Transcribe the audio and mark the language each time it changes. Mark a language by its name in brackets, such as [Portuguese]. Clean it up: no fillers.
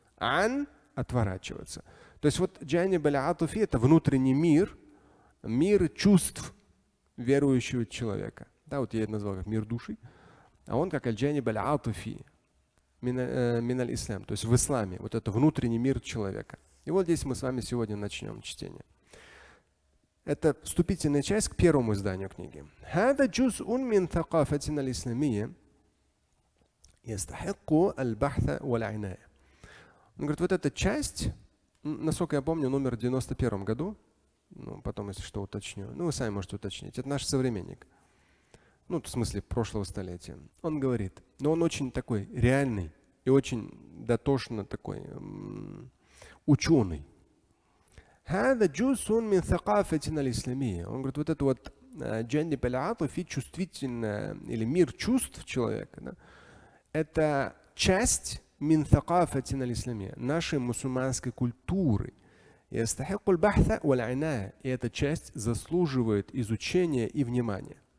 [Russian] «Ан» – отворачиваться. То есть вот «джаниб аль-атуфи» – это внутренний мир, мир чувств верующего человека. Да, вот я это назвал как «мир души», а он как «аль-джаниб аль-атуфи». Миналь-Ислам, то есть в исламе, вот это внутренний мир человека. И вот здесь мы с вами сегодня начнем чтение. Это вступительная часть к первому изданию книги. [Arabic] هذا جزء من ثقافتنا الإسلامية يستحق البحث والعناية. [Russian] Он говорит, вот эта часть, насколько я помню, номер в 91-м году, ну, потом, если что, уточню. Ну, вы сами можете уточнить. Это наш современник. ну, в смысле прошлого столетия. Он говорит, но он очень такой реальный и очень дотошно такой ученый. [Arabic] هذا جزء من ثقافتنا الإسلامية. [Russian] Он говорит, вот это вот [Arabic] جانب العاطفة, [Russian] чувствительное или мир чувств человека, да, это часть [Arabic] من ثقافتنا الإسلامية, [Russian] нашей мусульманской культуры. [Arabic] يستحق البحث والعناية, [Russian] и эта часть заслуживает изучения и внимания.